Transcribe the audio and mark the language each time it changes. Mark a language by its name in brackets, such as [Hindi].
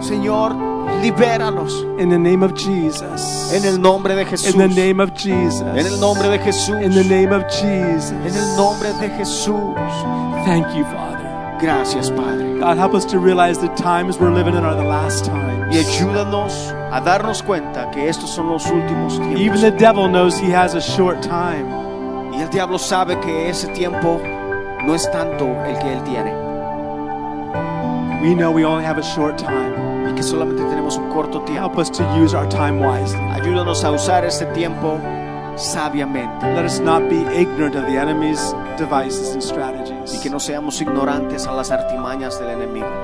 [Spanish] Señor, libéralos. [English] In the name of Jesus. [Spanish] En el nombre de Jesús. [English] In the name of Jesus. [Spanish] En el nombre de Jesús. [English] In the name of Jesus. [Spanish] En el nombre de Jesús. [English] Thank you, Father. [Spanish] Gracias, Padre. [English] God, help us to realize the times we're living in are the last times. [Spanish] Y ayúdanos a darnos cuenta que estos son los últimos tiempos. [English] Even the devil knows he has a short time. [Spanish] Y el diablo sabe que ese tiempo no es tanto el que él tiene. [English] We know we only have a short time. [Spanish] Que solamente tenemos un corto tiempo. [English] Help us to use our time wisely. [Spanish] Ayúdanos a usar este tiempo sabiamente. [English] Let us not be ignorant of the enemy's devices and strategies. [Spanish] Y que no seamos ignorantes a las artimañas del enemigo.